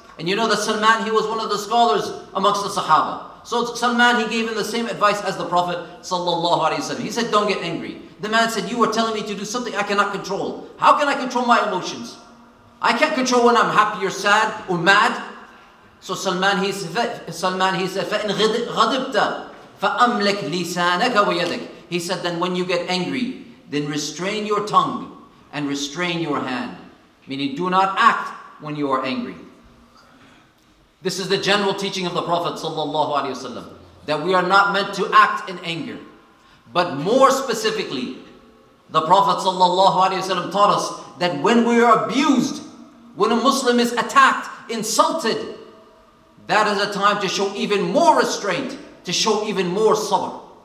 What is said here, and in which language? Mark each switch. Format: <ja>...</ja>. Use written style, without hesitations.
<en>And you know that Salman, he was one of the scholars amongst the Sahaba. So Salman, he gave him the same advice as the Prophet sallallahu alaihi wasallam. He said, "Don't get angry." The man said, "You are telling me to do something I cannot control. How can I control my emotions? I can't control when I'm happy or sad or mad." So Salman, he said,</en> <ar>"فَإِنْ غَضِبْتَ فَأَمْلِكْ لِسَانَكَ وَيَدَكَ."</ar> <en>He said, then when you get angry, then restrain your tongue and restrain your hand. Meaning, do not act when you are angry. This is the general teaching of the Prophet sallallahu alaihi wasallam, that we are not meant to act in anger. But more specifically, the Prophet sallallahu alaihi wasallam taught us that when we are abused, when a Muslim is attacked, insulted, that is a time to show even more restraint, to show even more sabr.</en>